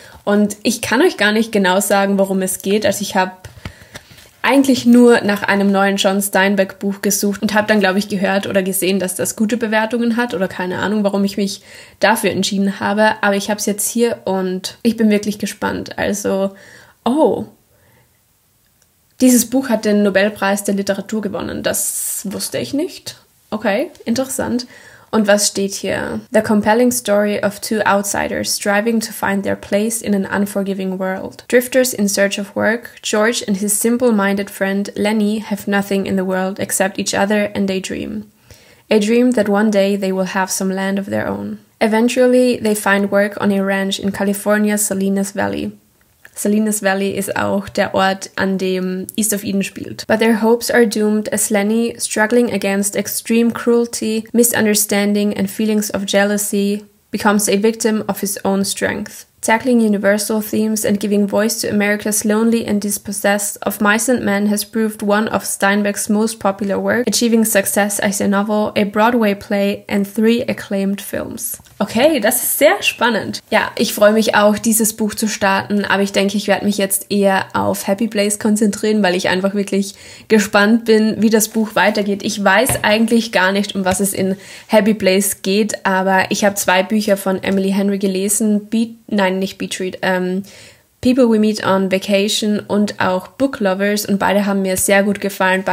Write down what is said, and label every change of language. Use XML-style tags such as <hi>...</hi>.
<de>Und ich kann euch gar nicht genau sagen, worum es geht. Also ich habe eigentlich nur nach einem neuen John Steinbeck Buch gesucht und habe dann, glaube ich, gehört oder gesehen, dass das gute Bewertungen hat oder keine Ahnung, warum ich mich dafür entschieden habe. Aber ich habe es jetzt hier und ich bin wirklich gespannt. Also, oh, dieses Buch hat den Nobelpreis der Literatur gewonnen. Das wusste ich nicht. Okay, interessant. Und was steht hier?</de> <en>The compelling story of 2 outsiders striving to find their place in an unforgiving world. Drifters in search of work, George and his simple-minded friend Lenny have nothing in the world except each other and a dream. A dream that one day they will have some land of their own. Eventually, they find work on a ranch in California's Salinas Valley.</en> <de>Salinas Valley ist auch der Ort, an dem East of Eden spielt.</de> <en>But their hopes are doomed as Lenny, struggling against extreme cruelty, misunderstanding and feelings of jealousy, becomes a victim of his own strength. Tackling universal themes and giving voice to America's lonely and dispossessed of Mice and Men has proved one of Steinbeck's most popular work, achieving success as a novel, a Broadway play and 3 acclaimed films.</en> <de>Okay, das ist sehr spannend. Ja, ich freue mich auch, dieses Buch zu starten, aber ich denke, ich werde mich jetzt eher auf Happy Place konzentrieren, weil ich einfach wirklich gespannt bin, wie das Buch weitergeht. Ich weiß eigentlich gar nicht, um was es in Happy Place geht, aber ich habe 2 Bücher von Emily Henry gelesen, People We Meet on Vacation und auch Book Lovers, und beide haben mir sehr gut gefallen.</de>